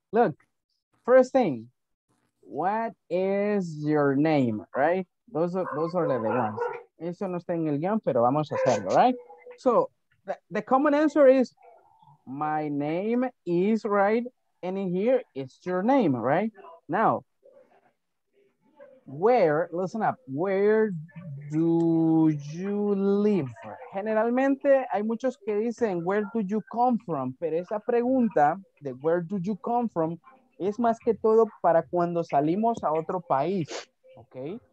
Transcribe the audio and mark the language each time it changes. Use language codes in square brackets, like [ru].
[en] Look, first thing, what is your name, right? Those are the ones. [es] Eso no está en el guión, pero vamos a hacerlo, right? [en] So, the common answer is, my name is, right? And in here, it's your name, right? Now, where, listen up, where do you live? [es] Generalmente hay muchos que dicen [en] where do you come from, [es] pero esa pregunta de where do you come from es más que todo para cuando salimos a otro país, ¿ok?